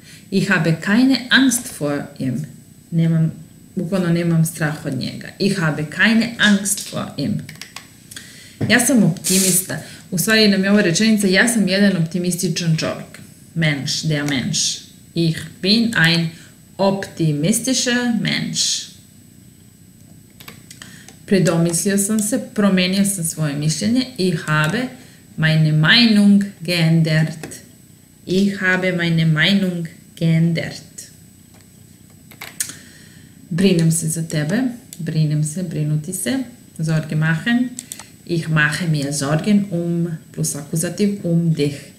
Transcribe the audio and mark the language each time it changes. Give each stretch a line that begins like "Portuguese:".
German: Ich habe keine Angst vor ihm.
Serbian: Nemam, bukvalno nemam strah od njega.
German: Ich habe keine Angst vor ihm.
Serbian: Ja sam optimista. U stvari nam je ova rečenica, ja sam jedan optimističan čovjek.
German: Mensch, der Mensch. Ich bin ein optimistischer Mensch.
Serbian: Predomislio sam se, promenio sam svoje mišljenje.
German: Ich habe meine Meinung geändert. Ich habe meine Meinung geändert.
Serbian: Brinem se za tebe. Brinem se, brinuti se.
German: Sorge machen. Ich mache mir Sorgen um, plus akuzativ, um dich.